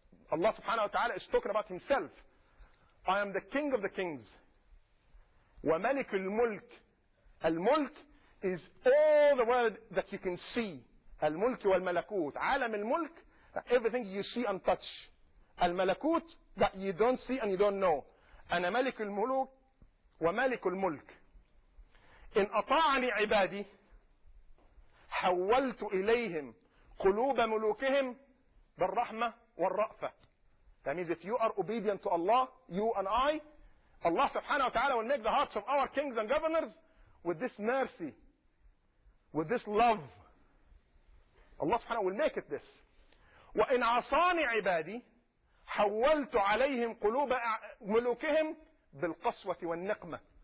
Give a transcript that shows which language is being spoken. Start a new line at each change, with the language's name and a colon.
English: Allah subhanahu wa ta'ala is talking about himself. I am the king of the kings.
Arabic: وملك الملك.
English: الملك is all the world that you can see.
Arabic: الملك والملكوت. عالم الملك,
English: everything you see and touch. الملكوت, that you don't see and you don't know.
Arabic: أنا ملك الملوك وملك الملك. إن أطاعني عبادي حولت إليهم قلوب ملوكهم بالرحمة والرأفة.
English: That means if you are obedient to Allah, you and I, Allah subhanahu wa ta'ala will make the hearts of our kings and governors with this mercy, with this love. Allah subhanahu will make it this.
Arabic: وَإِنْ عَصَانِ عِبَادِي حَوَّلْتُ عَلَيْهِمْ قُلُوبَ مُلُوكِهِمْ بِالْقَصْوَةِ وَالنِّقْمَةِ.